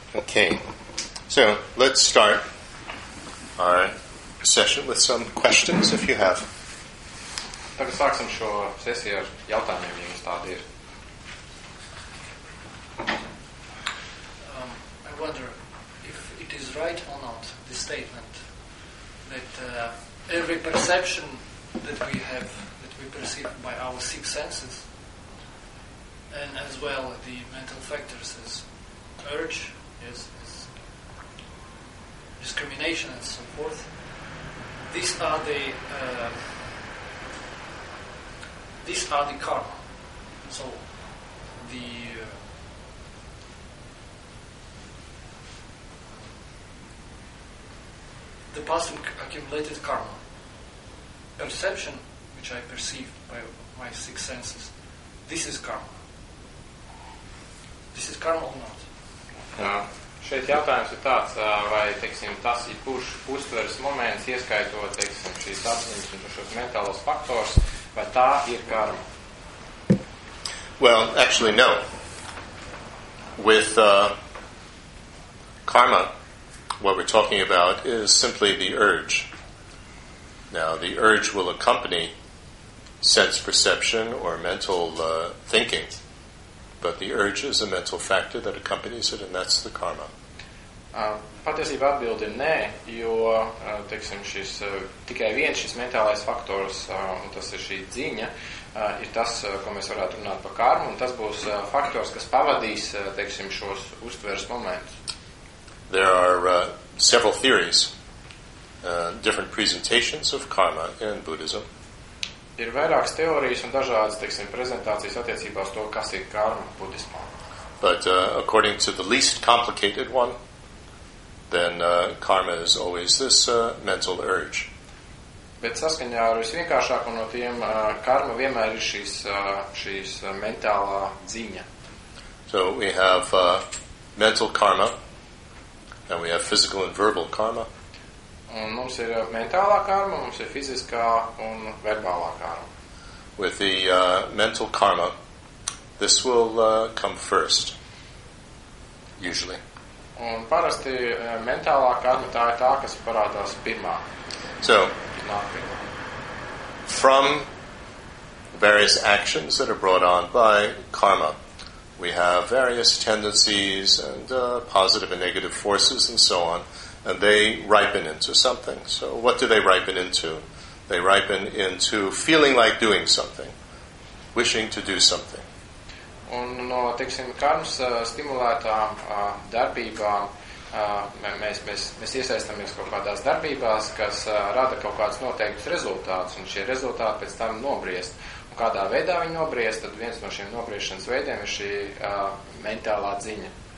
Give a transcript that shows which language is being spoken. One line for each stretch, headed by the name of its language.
English: Okay, so let's start our session with some questions, if you have.
Latvian: Tagad sāksim šo sesiju ar jautājumiem, ja jums tādi ir.
English: I wonder if it is right or not, this statement, that every perception that we have, that we perceive by our six senses, and as well the mental factors as urge, as discrimination and so forth, these are the... These are the karma. So, the the past accumulated karma. Perception, which I perceive by my six senses, this is karma. This is karma or not?
Latvian: Šeit jautājums ir tāds, vai, teiksim, tas ir kurš uztveres moments, ieskaitot, teiksim, šīs atziņas un šos mentālos faktors, vai tā ir karma?
English: Well, actually, no. With karma, what we're talking about is simply the urge. Now, the urge will accompany sense perception or mental thinking, but the urge is a mental factor that accompanies it, and that's the karma.
Latvian: Patiesība atbilde ir nē, jo, teiksim, šis, tikai viens šis mentālais faktors, un tas ir šī dziņa, ir tas, ko mēs varētu runāt par karmu, un tas būs faktors, kas pavadīs, teiksim, šos uztveres momentus.
English: There are several theories, different presentations of karma in Buddhism.
Latvian: Ir vairākas teorijas un dažādas, teiksim, prezentācijas attiecībā uz to, kas ir karma budismā.
English: But according to the least complicated one, then karma is always this mental urge.
Latvian: Bet saskaņā ar visvienkāršāko no tiem, karma vienmēr ir šīs, šīs mentālā dziņa.
English: So we have mental karma, and we have physical and verbal karma.
Latvian: Un mums ir mentālā karma, mums ir fiziskā un verbālā karma.
English: With the mental karma, this will come first, usually.
Latvian: Un parasti mentālā karma tā ir tā, kas parādās pirmā.
English: So, from various actions that are brought on by karma, we have various tendencies and positive and negative forces and so on, and they ripen into something. So what do they ripen into? They ripen into feeling like doing something, wishing to do something.
Latvian: Un no, teiksim, karmas stimulētām darbībām mēs iesaistāmies kaut kādās darbībās, kas rada kaut kādus noteiktus rezultātus, un šie rezultāti pēc tam nobriest. Un kādā veidā viņi nobriest, tad viens no šiem nobriešanas veidiem ir šī mentālā dziņa.